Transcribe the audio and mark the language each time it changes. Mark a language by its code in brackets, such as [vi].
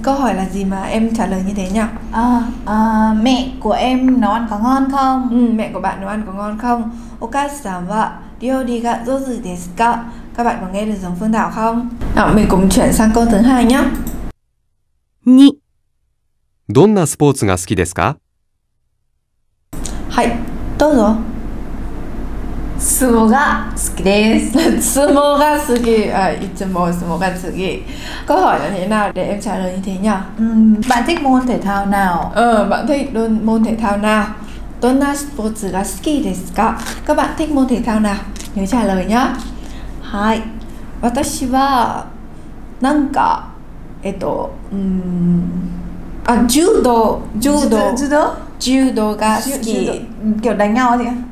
[vi] câu hỏi là gì mà em trả lời như thế nhỉ? Mẹ của em nấu ăn có ngon không? Mẹ của bạn nấu ăn có ngon không? [ja] お母さんは料理が上手ですか? [vi] Các bạn có nghe được giống Phương Thảo không? Nào, mình cùng chuyển sang câu thứ hai nhé. 2. [ja] どんなスポーツが好きですか? はい、どうぞ。相撲が好きです。相撲が好き。あ、いつも相撲が好き。 [vi] câu hỏi là thế nào để em trả lời như thế nhỉ? Bạn thích môn thể thao nào? Bạn thích môn thể thao nào? [ja] どんなスポーツが好きですか? [vi] Các bạn thích môn thể thao nào? Nhớ trả lời nhé. [ja] Hai. 私はなんか柔道が好き。 [vi] kiểu đánh nhau gì?